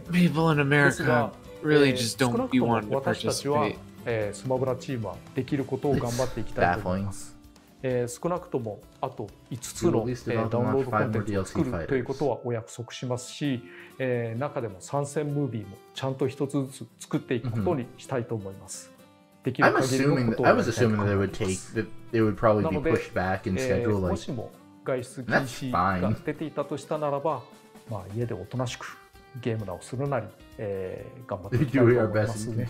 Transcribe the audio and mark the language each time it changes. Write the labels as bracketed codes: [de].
[en] People in America really just don't be wanting to participate. [ja] 私たちはスマブラチームはできることを頑張っていきたいと思います。少なくともあと5つのダウンロードコンテンツを作るということはお約束しますし、中でも参戦ムービーもちゃんと一つずつ作っていくことにしたいと思います。 [en] I was assuming that they would take that they would probably be pushed back in schedule like that's fine. [ja] 出ていたとしたならば、まあ家でおとなしくゲームをするなり、頑張っていきたいと思いますね。